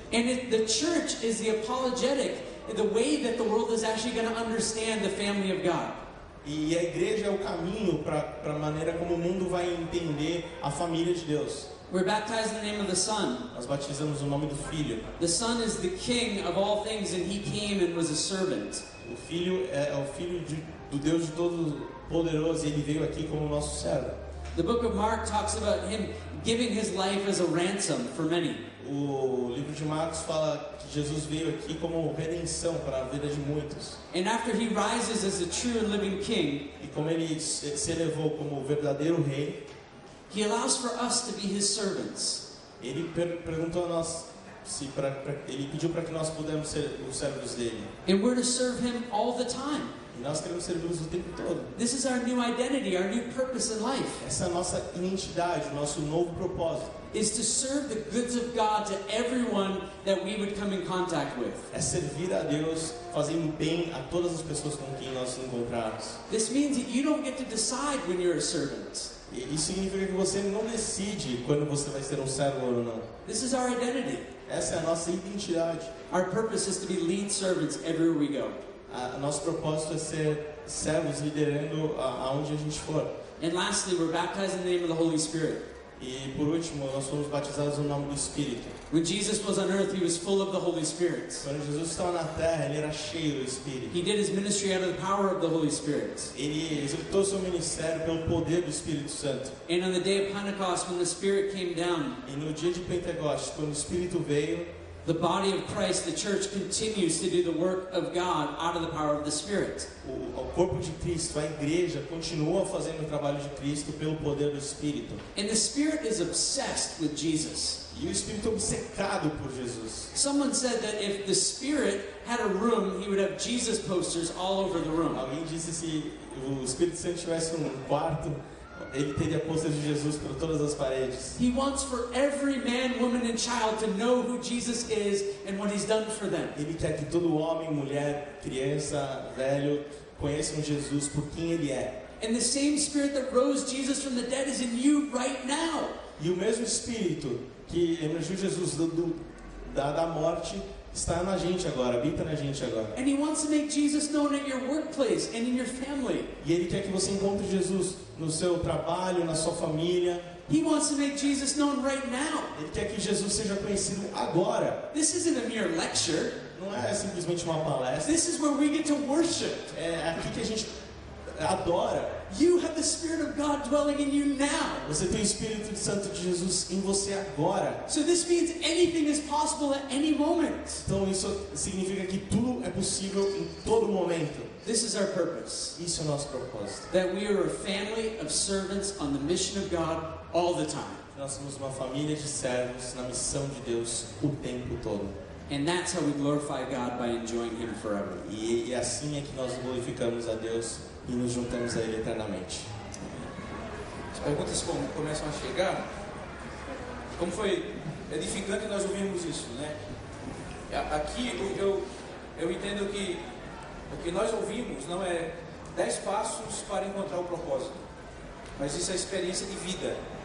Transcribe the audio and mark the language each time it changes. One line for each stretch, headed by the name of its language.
English: And the church is the apologetic, the way that the world is actually going to understand the family of God.
Portuguese: E a igreja é o caminho para a maneira como o mundo vai entender a família de Deus.
English: We're baptized in the name of the Son.
Portuguese: Nós batizamos no nome do Filho.
English: The Son is the King of all things, and He came and was a servant.
Portuguese: O Filho é o Filho do Deus de todos. Poderoso, ele veio aqui como nosso servo.
English: The book of Mark talks about him giving his life as a ransom for many.
Portuguese: O livro de Marcos fala que Jesus veio aqui como redenção para a vida de muitos.
English: And after he rises as a true and living king,
Portuguese: e como ele se elevou como o verdadeiro rei,
English: he allows for us to be his servants.
Portuguese: Ele perguntou a nós se ele pediu para que nós pudéssemos ser os servos dele.
English: And we're to serve him all the time.
Portuguese: E nós queremos servi-los o tempo todo.
English: This is our new identity, our new purpose in life.
Portuguese: Essa é a nossa identidade, o nosso novo propósito.
English: Is to serve the goods of God to everyone that we would come in contact with.
Portuguese: É servir a Deus, fazendo bem a todas as pessoas com quem nós nos encontrarmos.
English: This means that you don't get to decide when you're a servant.
Portuguese: Isso significa que você não decide quando você vai ser servo ou não.
English: This is our identity.
Portuguese: Essa é a nossa identidade.
English: Our purpose is to be lead servants everywhere we go.
Portuguese: Nosso propósito é ser servos liderando aonde a gente for.
English: And lastly, we're baptized in the name of the Holy Spirit.
Portuguese: E por último, nós somos batizados no nome do Espírito.
English: When Jesus was on earth, he was full of the Holy Spirit.
Portuguese: Quando Jesus estava na terra, ele era cheio do Espírito.
English: He did his ministry out of the power of the Holy Spirit.
Portuguese: Ele executou seu ministério pelo poder do Espírito Santo.
English: And on the day of Pentecost, when the Spirit came down,
Portuguese: e no dia de Pentecostes, quando o Espírito veio,
English: the body of Christ, the church, continues to do the work of God out of the power of the Spirit.
Portuguese: O corpo de Cristo, a igreja, continua fazendo o trabalho de Cristo pelo poder do Espírito.
English: And the Spirit is obsessed with Jesus.
Portuguese: E o Espírito obcecado por Jesus.
English: Someone said that if the Spirit had a room, he would have Jesus posters all over the room.
Portuguese: Alguém disse se o Espírito Santo tivesse quarto, ele teria posters de Jesus por todas as paredes.
English: He wants for every man, woman and child to know who Jesus is and what he's done for them.
Portuguese: Ele quer que todo homem, mulher, criança, velho, conheçam Jesus por quem ele é.
English: And the same spirit that rose Jesus from the dead is in you right now.
Portuguese: E o mesmo espírito que emergiu Jesus da morte está na gente agora, habita na gente agora.
English: And he wants to make Jesus known at your workplace and in your family.
Portuguese: E ele quer que você encontre Jesus no seu trabalho, na sua família.
English: He wants to make Jesus known right now.
Portuguese: Ele quer que Jesus seja conhecido agora.
English: This isn't a mere lecture.
Portuguese: Não é simplesmente uma palestra.
English: This is where we get to worship.
Portuguese: É aqui que a gente adora.
English: You have the Spirit of God dwelling in you now.
Portuguese: Você tem o Espírito Santo de Jesus em você agora.
English: So this means anything is possible at any moment.
Portuguese: Então isso significa que tudo é possível em todo momento.
English: This is our purpose.
Portuguese: Isso é o nosso propósito.
English: That we are a family of servants on the mission of God all the time.
Portuguese: Nós somos uma família de servos na missão de Deus o tempo todo.
English: And that's how we glorify God by enjoying Him forever.
Portuguese: E assim é que nós glorificamos a Deus e nos juntamos a Ele eternamente. As perguntas começam a chegar. Como foi edificante nós ouvirmos isso, né? Aqui eu entendo que o que nós ouvimos não é 10 passos para encontrar o propósito, mas isso é experiência de vida.